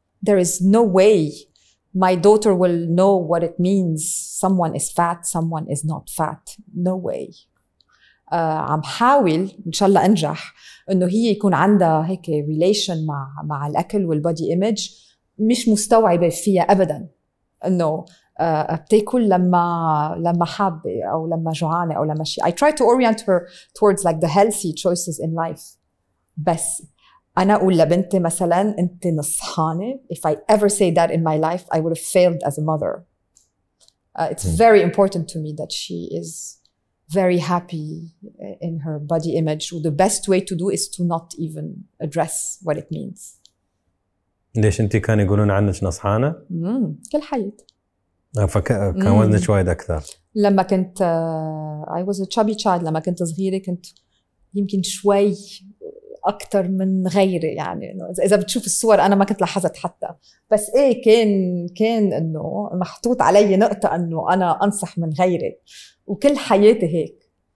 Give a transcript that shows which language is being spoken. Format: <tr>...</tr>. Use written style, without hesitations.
<en>There is no way my daughter will know what it means. Someone is fat, someone is not fat. No way.</en> <ar>عم حاول إن شاء الله أنجح إنه هي يكون عندها هيك relation مع الأكل والbody image مش مستوعبة فيها أبداً. إنه بتاكل لما حابة أو لما جوعانة أو لما شيء.</ar> <en>I try to orient her towards like the healthy choices in life.</en> <ar>بس أنا أقول لبنتي مثلاً أنت نصحانة.</ar> <en>If I ever say that in my life, I would have failed as a mother. It's very important to me that she is very happy in her body image. The best way to do is to not even address what it means.</en> <ar>ليش أنت كان يقولون عنك نصحانة؟ كل حياة. فكان وزنك وايد أكثر. لما كنت</ar> <en>I was a chubby child</en> <ar>لما كنت صغيرة كنت يمكن شوي أكثر من غيري يعني إذا بتشوف الصور أنا ما كنت لاحظت حتى بس إيه كان إنه محطوط علي نقطة إنه أنا أنصح من غيري وكل حياتي هيك.</ar>